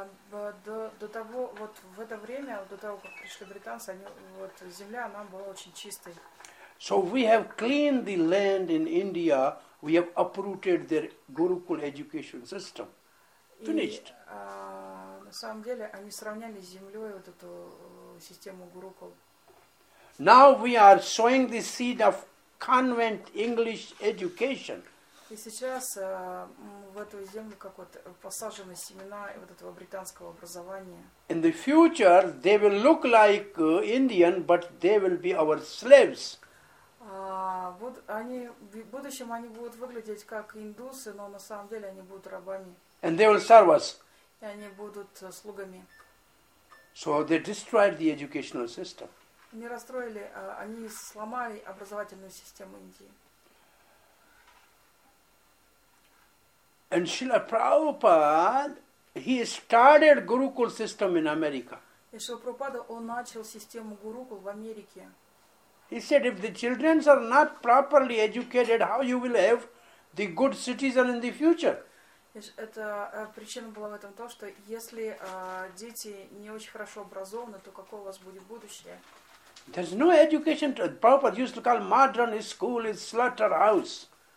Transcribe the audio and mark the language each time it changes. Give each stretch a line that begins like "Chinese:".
Russian: До того, вот в это время, до того, как пришли британцы, они, вот, земля, она была очень чистой.
English: So we have cleaned the land in India, we have uprooted their Gurukul education system. Finished.
Russian: И, на самом деле, они сравняли с землей вот эту систему Гурукул.
English: Now we are sowing the seed of convent English education.
Russian: И сейчас в эту землю как вот посажены семена вот этого британского образования.
English: In the future they will look like Indian, but they will be our slaves.
Russian: Вот они в будущем они будут выглядеть как индусы, но на самом деле они будут рабами.
English: And they will serve us.
Russian: И они будут слугами.
English: So they destroyed the educational system.
Russian: Они расстроили, они сломали образовательную систему Индии.
English: And Srila Prabhupada, he started Gurukul system in America.
Russian: И Шрила Прабхупада, он начал систему Гурукул в Америке.
English: He said, if the children are not properly educated, how you will have the good citizen in the future?
Russian: Это причина была в этом то, что если дети не очень хорошо образованы, то какое у вас будет будущее?
English: There's no education. Prabhupada used to call modern school is slaughterhouse.